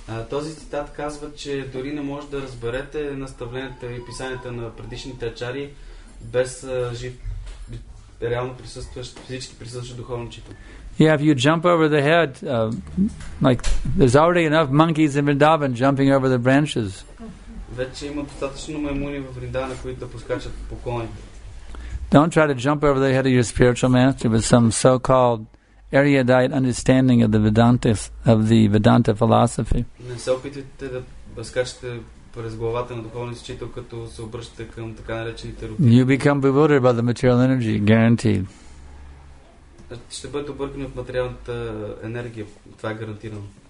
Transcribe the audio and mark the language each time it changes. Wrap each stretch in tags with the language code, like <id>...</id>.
<bg>Този цитат казва, че дори не може да разберете наставленията и писанията на предишните ачари без жив, реално присъстващ, физически присъстващ духовен учител.</bg> <en>Yeah, if you jump over the head, like there's already enough monkeys in Vrindavan jumping over the branches.</en> <bg>Вече има достатъчно маймуни в Вриндавана, които да поскачат по коните.</bg> <en>Don't try to jump over the head of your spiritual master with some so-called erudite understanding of the Vedanta philosophy.</en> <bg>Не се опитвайте да скачате през главата на духовния учител, като се обръщате към така наречените рутини.</bg> <en>You become bewildered by the material energy, guaranteed.</en> <bg>Ще бъдете объркани от материалната енергия, това е гарантирано.</bg>